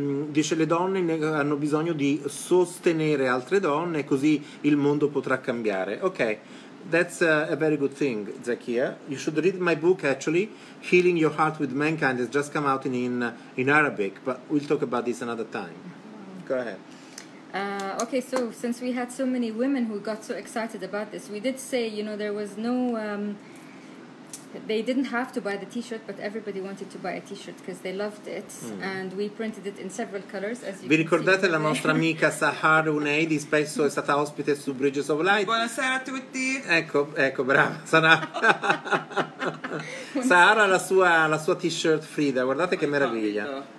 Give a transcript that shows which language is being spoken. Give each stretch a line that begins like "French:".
Italian: Dice le donne hanno bisogno di sostenere altre donne, così il mondo potrà cambiare.
English: Okay, that's a very good thing, Zakia. You should read my book actually, Healing Your Heart with Mankind. It's just come out in Arabic, but we'll talk about this another time. Go ahead. Okay, so since we had so many women who got so excited about this, we did say, you know, there was no... they didn't have to buy the t-shirt, but everybody wanted to buy a t-shirt because they loved it. Mm. And we printed it in several colors, as you
Italian: vi ricordate la nostra amica Sahar Unaidi, spesso è stata ospite su Bridges of Light. Buonasera a tutti. Ecco brava sarà. Sahara la sua t-shirt Frida, guardate che meraviglia.